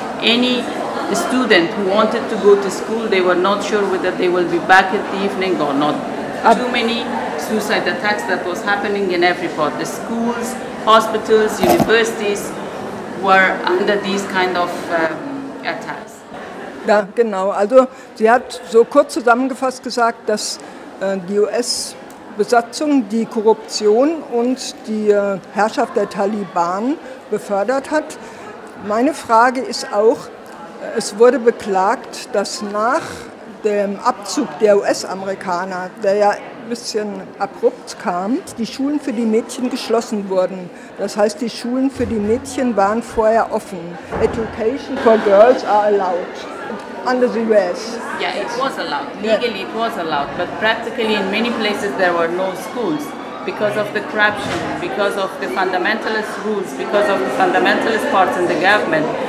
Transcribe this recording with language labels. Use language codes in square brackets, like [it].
[en] Any student who wanted to go to school, they were not sure whether they will be back in the evening or not. Too many suicide attacks that was happening in every part. The schools, hospitals, universities were under these kind of attacks. [de] Ja, genau. Also, sie hat so kurz zusammengefasst gesagt, dass die US-Besatzung die Korruption und die Herrschaft der Taliban befördert hat. Meine Frage ist auch, es wurde beklagt, dass nach dem Abzug der US-Amerikaner, der ja ein bisschen abrupt kam, die Schulen für die Mädchen geschlossen wurden. Das heißt, die Schulen für die Mädchen waren vorher offen. [en] Education for girls are allowed under the US. Yeah, it was allowed. Legally, yeah. It was allowed. But practically, in many places, there were no schools because of the corruption, because of the fundamentalist rules, because of the fundamentalist parts in the government.